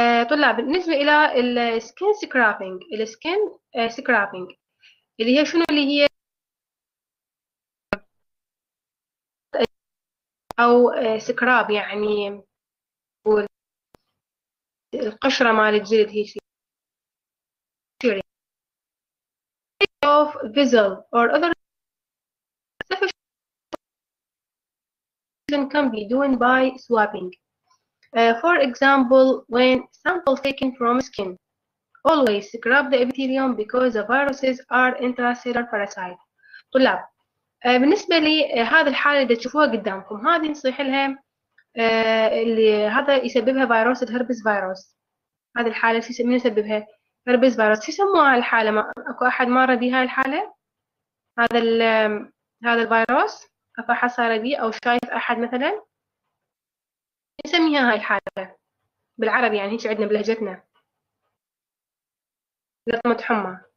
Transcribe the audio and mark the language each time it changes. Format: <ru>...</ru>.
<ar>طلاب، بالنسبة إلى السكين سكرابينج، السكين سكرابينج اللي هي شنو؟ اللي هي أو سكراب يعني القشرة مال الجلد، هي شيء</ar> <en>of visible or other can be done by swabbing. For example, when sample taken from skin, always scrub the epithelium because the viruses are intracellular parasites.</en> <ar>طلاب، بالنسبة لي هذه الحالة اللي تشوفوها قدامكم، هذه نصيح لها اللي هذا يسببها فيروس الهربس فيروس. هذه الحالة شو مين يسببها؟ هربس فيروس. شو يسموها الحالة؟ ما أكو أحد مر بها الحالة؟ هذا الفيروس أفحص صار بيه أو شايف أحد مثلا نسميها هاي الحالة بالعربي، يعني هيك عندنا بلهجتنا لطمة حمى.</ar>